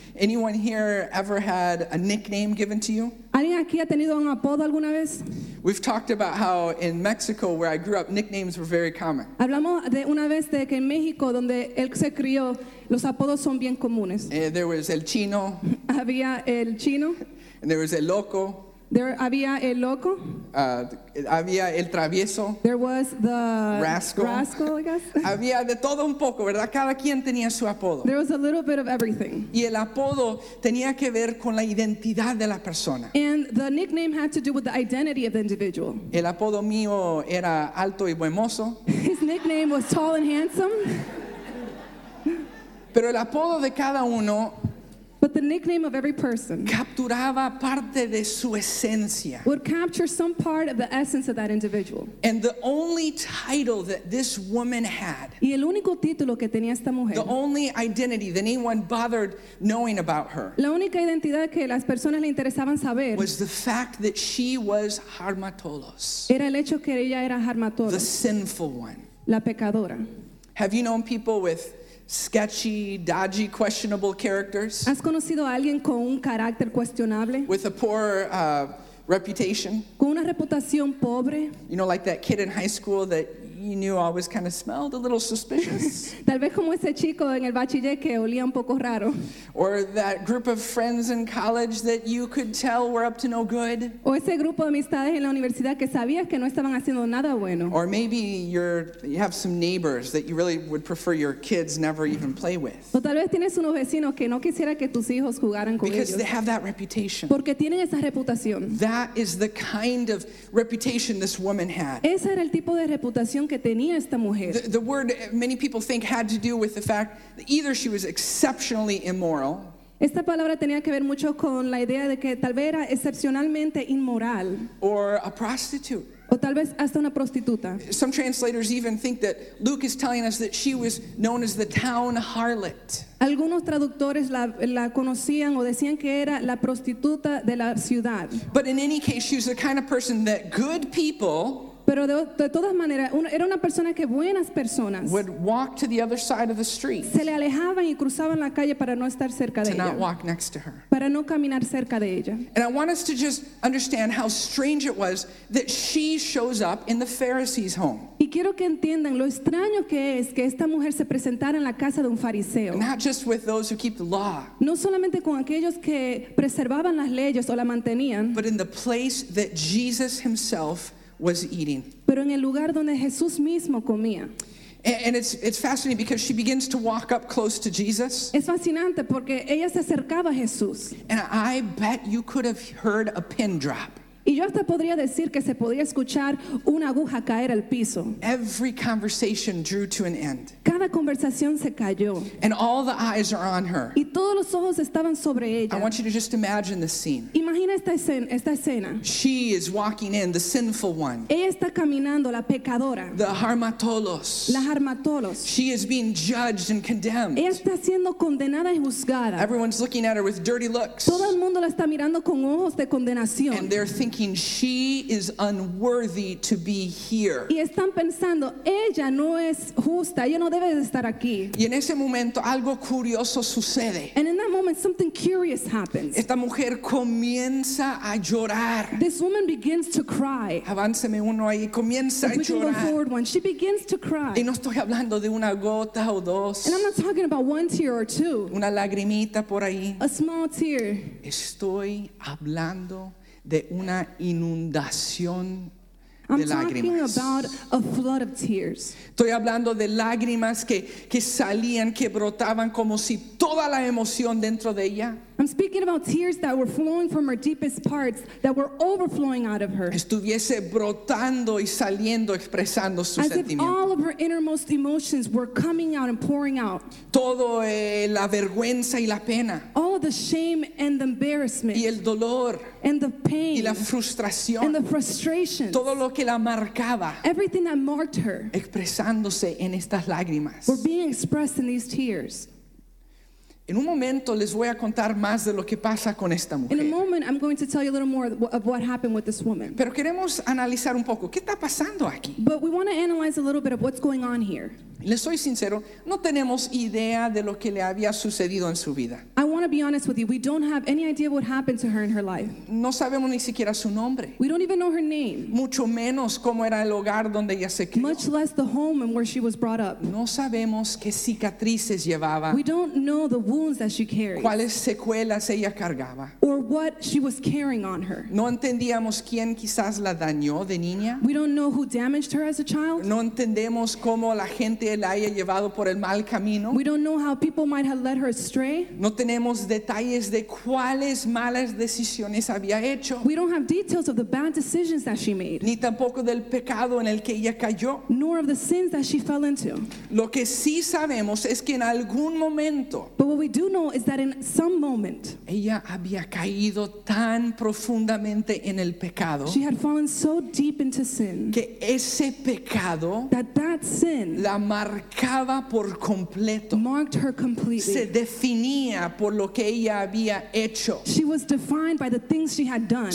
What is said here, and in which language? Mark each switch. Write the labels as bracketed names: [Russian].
[English] Anyone here ever had a nickname given to you? [Spanish] ¿Alguien aquí ha tenido un apodo alguna vez? [English] We've talked about how in Mexico, where I grew up, nicknames were very common. [Spanish] Hablamos de una vez de que en México, donde él se crió, los apodos son bien comunes. [English] There was el chino. [Spanish] Había el chino. [English] And there was el loco. There [Spanish] había el loco. Había el travieso. [English] There was the rascal. Rascal, I guess. [Spanish] Había de todo un poco, ¿verdad? Cada quien tenía su apodo. [English] There was a little bit of everything. [Spanish] Y el apodo tenía que ver con la identidad de la persona. [English] And the nickname had to do with the identity of the individual. [Spanish] El apodo mío era alto y buen mozo. [English] His nickname was tall and handsome. [Spanish] Pero el apodo de cada uno, [English] but the nickname of every person [Spanish] capturaba parte de su esencia, [English] would capture some part of the essence of that individual. And the only title that this woman had, [Spanish] y el único título que tenía esta mujer, [English] the only identity that anyone bothered knowing about her, [Spanish] la única identidad que las personas le interesaban saber, [English] was the fact that she was harmatolos, [Spanish] era el hecho que ella era harmatolos, [English] the sinful one, [Spanish] la pecadora. [English] Have you known people with sketchy, dodgy, questionable characters? [Spanish] ¿Has conocido a alguien con un carácter cuestionable? [English] With a poor reputation? [Spanish] Con una reputación pobre? [English] You know, like that kid in high school that you knew always kind of smelled a little suspicious? [Spanish] Tal vez como ese chico en el bachiller que olía un poco raro. [English] Or that group of friends in college that you could tell were up to no good? [Spanish] O ese grupo de amistades en la universidad que sabías que no estaban haciendo nada bueno. [English] Or maybe you have some neighbors that you really would prefer your kids never even play with. [Spanish] O tal vez tienes unos vecinos que no quisiera que tus hijos jugaran con ellos. [English] Because they have that reputation. [Spanish] Porque tienen esa reputación. [English] That is the kind of reputation this woman had. [Spanish] Ese era el tipo de reputación que tenía esta mujer. [English] The word many people think had to do with the fact that either she was exceptionally immoral. [Spanish] Esta palabra tenía que ver mucho con la idea de que tal vez era excepcionalmente inmoral. [English] Or a prostitute. [Spanish] O tal vez hasta una prostituta. [English] Some translators even think that Luke is telling us that she was known as the town harlot. [Spanish] Algunos traductores la conocían o decían que era la prostituta de la ciudad. [English] But in any case, she was the kind of person that good people. [Spanish] Pero de todas maneras, era una persona que buenas personas. [English] Would walk to the other side of the street. [Spanish] Se le alejaban y cruzaban la calle para no estar cerca de ella. [English] To not walk next to her. [Spanish] Para no caminar cerca de ella. [English] And I want us to just understand how strange it was that she shows up in the Pharisee's home. [Spanish] Y quiero que entiendan lo extraño que es que esta mujer se presentara en la casa de un fariseo. [English] Not just with those who keep the law. [Spanish] No solamente con aquellos que preservaban las leyes o la mantenían. [English] But in the place that Jesus himself was eating. [Spanish] Pero en el lugar donde Jesús mismo comía. [English] And it's fascinating because she begins to walk up close to Jesus. [Spanish] Es fascinante porque ella se acercaba a Jesús. [English] And I bet you could have heard a pin drop. [Spanish] Y yo hasta podría decir que se podía escuchar una aguja caer al piso. [English] Every conversation drew to an end. [Spanish] Cada conversación se cayó. [English] And all the eyes are on her. [Spanish] Y todos los ojos estaban sobre ella. [English] I want you to just imagine this scene. [Spanish] Imagina esta escena. [English] She is walking in, the sinful one. [Spanish] Ella está caminando, la pecadora. [English] The harmatolos. [Spanish] La harmatolos. [English] She is being judged and condemned. [Spanish] Ella está siendo condenada y juzgada. [English] Everyone's looking at her with dirty looks. [Spanish] Todo el mundo la está mirando con ojos de condenación. [English] And they're thinking she is unworthy to be here. [Spanish] Y están pensando, ella no es justa, ella no debe de estar aquí. Y en ese momento algo curioso sucede. [English] And in that moment something curious happens. [Spanish] Esta mujer comienza a llorar. [English] This woman begins to cry. [Spanish] Avánceme uno ahí, comienza a llorar. [English] Go forward one. She begins to cry. [Spanish] Y no estoy hablando de una gota o dos. [English] And I'm not talking about one tear or two. [Spanish] Una lagrimita por ahí. [English] A small tear. [Spanish] Estoy hablando de una inundación de lágrimas. [English] I'm talking about a flood of tears. [Spanish] Estoy hablando de lágrimas que salían, que brotaban como si toda la emoción dentro de ella. [English] I'm speaking about tears that were flowing from her deepest parts, that were overflowing out of her. [Spanish] Estuviese brotando y saliendo, expresando su sentimiento. [English] As if all of her innermost emotions were coming out and pouring out. [Spanish] Todo la vergüenza y la pena. [English] All of the shame and the embarrassment. [Spanish] Y el dolor. [English] And the pain. [Spanish] Y la frustración. [English] And the frustration. [Spanish] Todo lo que la marcaba. [English] Everything that marked her. [Spanish] Expresándose en estas lágrimas. [English] Were being expressed in these tears. [Spanish] En un momento les voy a contar más de lo que pasa con esta mujer. [English] In a moment, I'm going to tell you a little more of what happened with this woman. [Spanish] Pero queremos analizar un poco qué está pasando aquí. [English] But we want to analyze a little bit of what's going on here. [Spanish] Les soy sincero, no tenemos idea de lo que le había sucedido en su vida. [English] I want to be honest with you. We don't have any idea what happened to her in her life. [Spanish] No sabemos ni siquiera su nombre. [English] We don't even know her name. [Spanish] Mucho menos cómo era el hogar donde ella se crió. [English] Much less the home and where she was brought up. [Spanish] No sabemos qué cicatrices llevaba. [English] We don't know the wounds that she carried. [Spanish] ¿Cuáles secuelas ella cargaba? [English] Or what she was carrying on her. [Spanish] No entendíamos quién quizás la dañó de niña. [English] We don't know who damaged her as a child. [Spanish] No entendemos cómo la gente la haya llevado por el mal camino. [English] We don't know how people might have led her astray. [Spanish] No tenemos detalles de cuáles malas decisiones había hecho. [English] We don't have details of the bad decisions that she made. [Spanish] Ni tampoco del pecado en el que ella cayó. [English] Nor of the sins that she fell into. [Spanish] Lo que sí sabemos es que en algún momento. [English] But what we do know is that in some moment. [Spanish] Ella había caído tan profundamente en el pecado. [English] She had fallen so deep into sin. [Spanish] Que ese pecado. [English] That sin. [Spanish] La marcaba por completo. [English] Marked her completely. [Spanish] Se definía por lo que ella había hecho. [English] She was defined by the things she had done.